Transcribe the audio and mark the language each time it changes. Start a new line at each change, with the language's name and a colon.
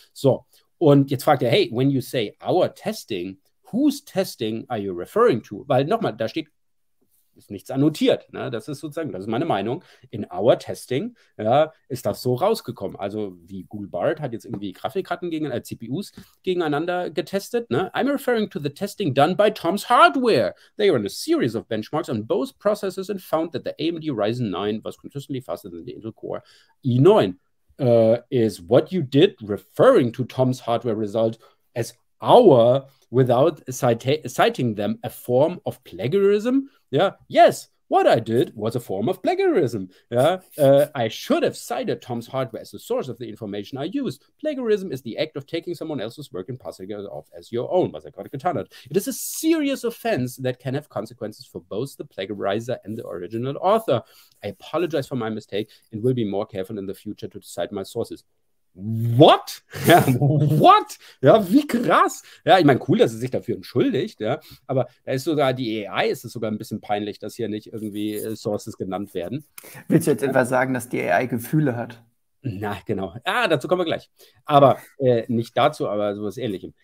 German: So, und jetzt fragt er,
English: hey, when you say our testing, whose testing are you referring to?
German: Weil nochmal, da steht, ist nichts annotiert. Ne? Das ist sozusagen, das ist meine Meinung.
English: In our testing,
German: ja, ist das so rausgekommen. Also wie Google Bard hat jetzt irgendwie Grafikkarten gegen CPUs gegeneinander getestet. Ne?
English: I'm referring to the testing done by Tom's Hardware. They ran a series of benchmarks on both processes and found that the AMD Ryzen 9 was consistently faster than the Intel Core i9. Is what you did referring to Tom's Hardware result as our without citing them a form of plagiarism? Yeah, yes, what I did was a form of plagiarism. Yeah, I should have cited Tom's Hardware as the source of the information I used. Plagiarism is the act of taking someone else's work and passing it off as your own,
German: was I gerade getan hat.
English: It is a serious offense that can have consequences for both the plagiarizer and the original author. I apologize for my mistake and will be more careful in the future to cite my sources.
German: What? Ja, what? Ja, wie krass. Ja, ich meine, cool, dass sie sich dafür entschuldigt, ja, aber da ist sogar die AI, ist es sogar ein bisschen peinlich, dass hier nicht irgendwie Sources genannt werden. Willst du jetzt etwa sagen, dass die AI Gefühle hat? Na, genau. Ah, dazu kommen wir gleich. Aber nicht dazu, aber sowas Ähnlichem.